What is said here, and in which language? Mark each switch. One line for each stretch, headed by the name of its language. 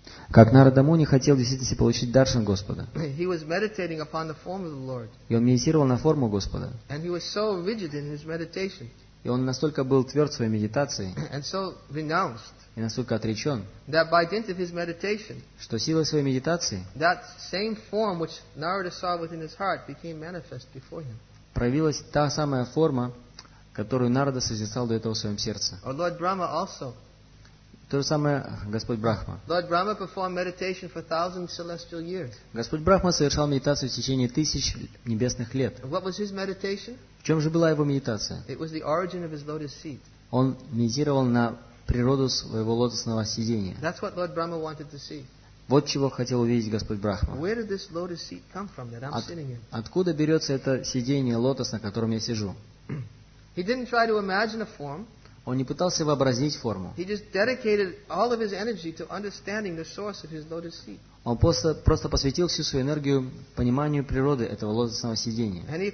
Russian: Как Нарада Муни хотел действительно получить даршан Господа.
English: He was meditating upon the form of the Lord.
Russian: И он медитировал на форму Господа.
English: And he was so rigid in his meditation.
Russian: И он настолько был тверд в своей медитации.
English: And so renounced.
Russian: И настолько отречен,
English: that by dint of his meditation,
Russian: что силой своей медитации,
English: that same form which Narada saw within his heart became manifest before him.
Russian: Проявилась та самая форма, которую Нарада созерцал до этого в своем сердце.
English: Or Lord Brahma also.
Russian: То же самое Господь Брахма.
English: Lord Brahma performed meditation for thousands of celestial years.
Russian: Господь Брахма совершал медитацию в течение тысяч небесных лет.
English: What was his meditation?
Russian: В чем же была его медитация?
English: It was the origin of his lotus seat.
Russian: Он медитировал на природу своего лотосного сидения.
English: That's what Lord Brahma wanted to see.
Russian: Вот чего хотел увидеть Господь Брахма.
English: Where did this lotus seat come from that I'm sitting in?
Russian: Откуда берется это сидение лотос, на котором я сижу?
English: He didn't try to imagine a form.
Russian: Он не пытался вообразить форму. Он просто посвятил всю свою энергию пониманию природы этого лотосного сидения.